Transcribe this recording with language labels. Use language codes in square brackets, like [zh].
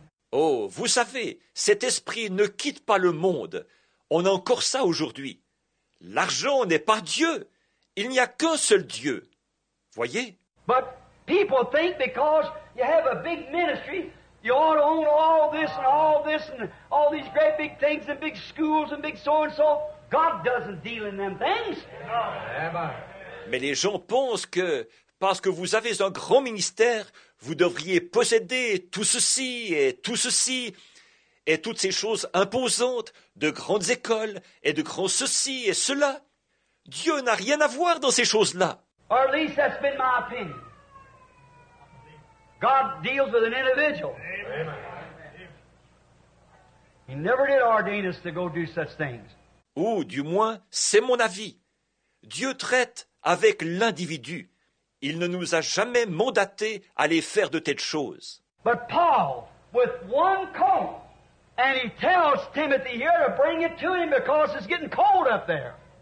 [fr] Oh, vous savez, cet esprit ne quitte pas le monde. On a encore ça aujourd'hui. L'argent n'est pas Dieu. Il n'y a qu'un seul Dieu. Voyez? [en] But people think because you have a big ministry, you ought to own all this and all this and all these great big things and big schools and big so-and-so. God doesn't deal in them things. [fr] Mais les gens pensent que parce que vous avez un grand ministère, vous devriez posséder tout ceci et tout ceci. Et toutes ces choses imposantes, de grandes écoles, et de grands ceci et cela. Dieu n'a rien à voir dans ces choses-là. [en] Or at least that's been my opinion. God deals with an individual. Amen. He never did ordain us to go do such things. [fr] Ou du moins, c'est mon avis. Dieu traite avec l'individu. Il ne nous a jamais mandaté à les faire de telles choses. [en] But Paul, with one coat, and he tells Timothy here to bring it to him because it's getting cold up there.